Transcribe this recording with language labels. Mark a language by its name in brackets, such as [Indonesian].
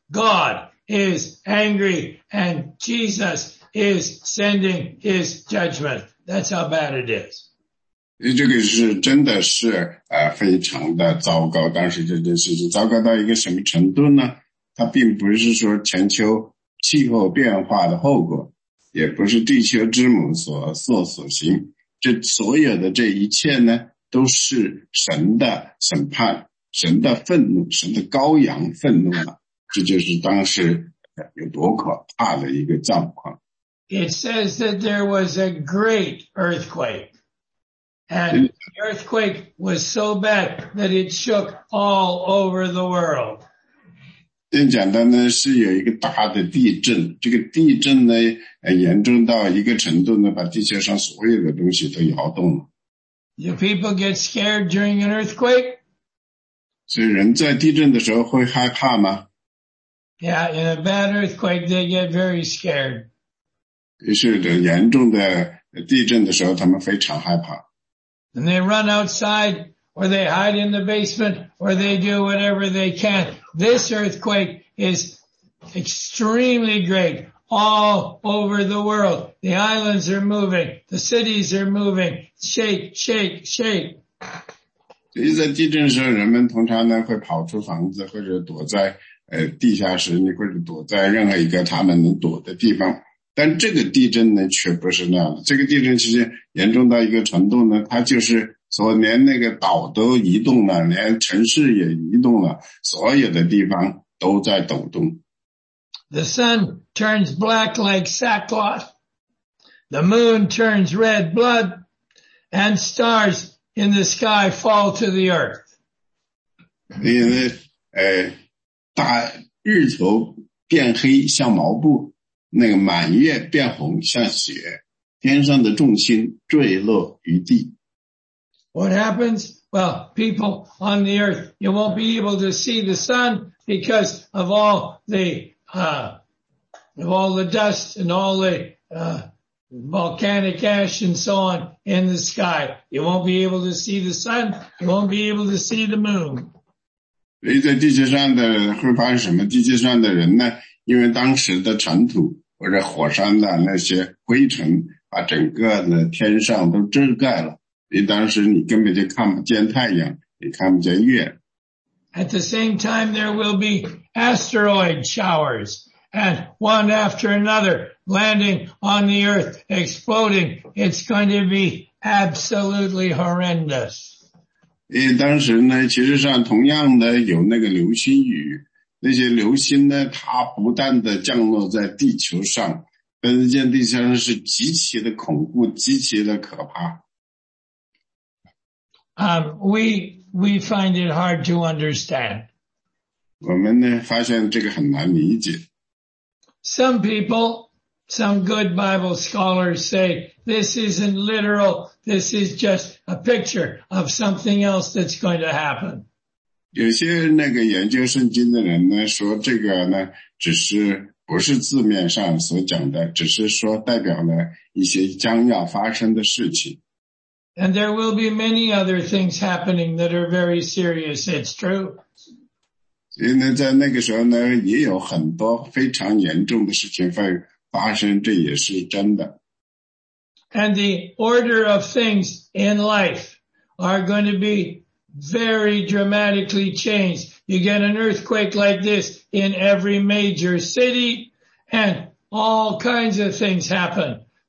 [English] God is angry and Jesus is sending his judgment. That's how bad it is. [Chinese] 这个是真的是非常的糟糕。当时这件事情糟糕到一个什么程度呢？它并不是说全球气候变化的后果，也不是地球之母所行，这所有的这一切呢，都是神的审判，神的愤怒，神的羔羊愤怒了。这就是当时有多可怕的一个状况。 [English] It says that there was a great earthquake, and the earthquake was so bad that it shook all over the world. [Chinese] 更简单的是有一个大的地震，这个地震呢，严重到一个程度呢，把地球上所有的东西都摇动了。 [English] Do people get scared during an earthquake? [Chinese] 所以人在地震的时候会害怕吗？ [English] Yeah, in a bad earthquake, they get very scared. [Chinese] 于是严重的地震的时候，他们非常害怕。 [English] And they run outside, or they hide in the basement, or they do whatever they can. This earthquake is extremely great all over the world. The islands are moving. The cities are moving. Shake, shake, shake. [Chinese] 所以在地震时候人们通常呢会跑出房子或者躲在地下室或者躲在任何一个他们能躲的地方。但这个地震呢却不是那样的。这个地震其实严重到一个程度呢它就是所以连那个岛都移动了，连城市也移动了，所有的地方都在抖动。 [English] The sun turns black like sackcloth. The moon turns red blood. And stars in the sky fall to the earth. [Chinese] 因为大日头变黑像毛布，那个满月变红像血，天上的众星坠落于地。 [English] What happens? Well, people on the earth, you won't be able to see the sun because of all the dust and all the volcanic ash and so on in the sky. You won't be able to see the sun. You won't be able to see the moon. [Chinese] 所以在地球上的会发生什么？地球上的人呢？因为当时的尘土或者火山的那些灰尘，把整个的天上都遮盖了。你当时你根本就看不见太阳，你看不见月。 [English] At the same time, there will be asteroid showers, and one after another landing on the earth, exploding. It's going to be absolutely horrendous. [Chinese] 当时呢，其实上同样的有那个流星雨，那些流星呢，它不断的降落在地球上，但是见地球上是极其的恐怖，极其的可怕。 [English] We find it hard to understand. [Chinese] 我们呢发现这个很难理解。 [English] Some people, some good Bible scholars say this isn't literal. This is just a picture of something else that's going to happen. [Chinese] 有些那个研究圣经的人呢说这个呢只是不是字面上所讲的，只是说代表了一些将要发生的事情。 [English] And there will be many other things happening that are very serious, it's true. [Chinese] 所以呢在那个时候呢也有很多非常严重的事情会发生，这也是真的。 [English] And the order of things in life are going to be very dramatically changed. You get an earthquake like this in every major city and all kinds of things happen.